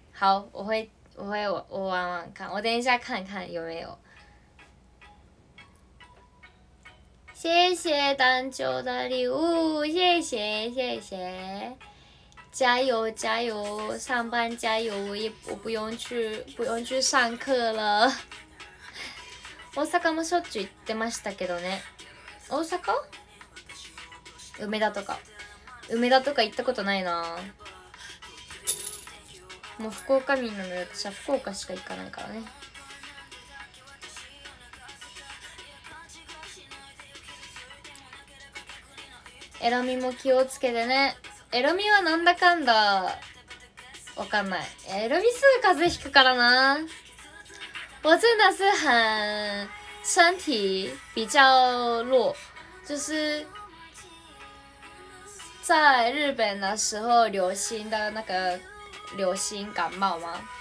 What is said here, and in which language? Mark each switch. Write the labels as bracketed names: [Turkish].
[Chinese] 好，我玩玩看，我等一下看看有没有。谢谢丹丘的礼物，谢谢谢谢，加油加油，上班加油，我不用去上课了。 [Japanese] 大阪もしょっちゅう行ってましたけどね。大阪？梅田とか。梅田とか行ったことないな。もう福岡民なので私は福岡しか行かないからね。エロミも気をつけてね。エロミはなんだかんだわかんない。エロミすぐ風邪ひくからな。 [Chinese] 我真的是很身体比较弱，就是在日本的时候流行的那个流行感冒吗？